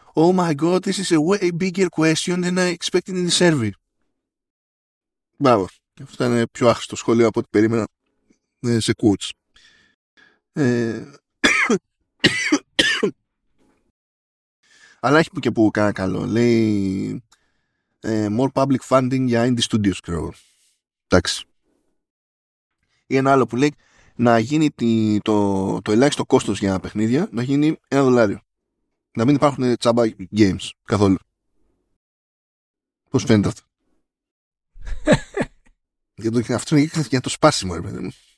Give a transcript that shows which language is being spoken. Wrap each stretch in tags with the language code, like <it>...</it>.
<en>Oh my god, this is a way bigger question than I expected in the survey.</en> <el>Μπράβο. Αυτό ήταν πιο άχρηστο σχόλιο από ό,τι περίμενα σε quotes. Αλλά έχει που και που κάνα καλό. Λέει</el> <en>more public funding</en> <el>για indie studios, ξέρω. Εντάξει. Ή ένα άλλο που λέει να γίνει το ελάχιστο κόστος για παιχνίδια να γίνει ένα δολάριο. Να μην υπάρχουν τσάμπα games καθόλου. Πώς φαίνεται αυτό? αυτό είναι για το σπάσιμο, ρε παιδί μου.</el>